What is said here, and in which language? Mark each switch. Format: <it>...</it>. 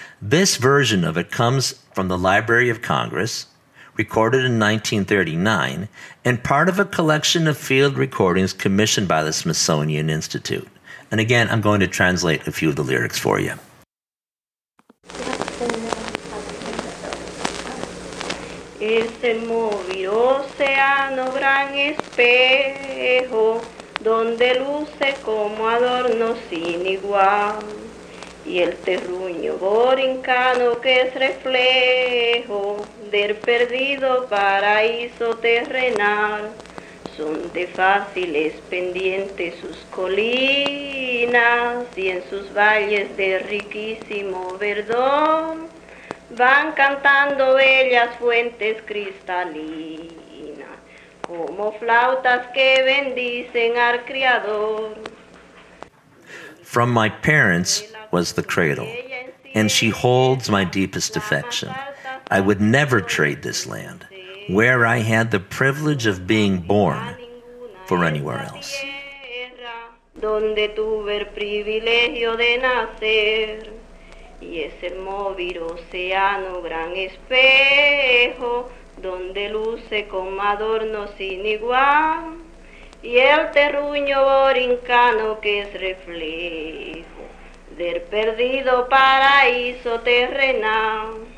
<en>This version of it comes from the Library of Congress, recorded in 1939, and part of a collection of field recordings commissioned by the Smithsonian Institute. And again, I'm going to translate a few of the lyrics for you.</en> <es>Es el móvil océano gran espejo donde luce como adorno sin igual y el terruño borincano que es reflejo del perdido paraíso terrenal. Son de fáciles pendientes sus colinas y en sus valles de riquísimo verdor van cantando bellas fuentes cristalinas como flautas que bendicen al criador.</es> <en>From my parents was the cradle, and she holds my deepest affection. I would never trade this land, where I had the privilege of being born, for anywhere else.</en> <es>Donde tuve el privilegio de nacer, y es el móvil océano gran espejo, donde luce como adorno sin igual, y el terruño borincano que es reflejo del perdido paraíso terrenal.</es>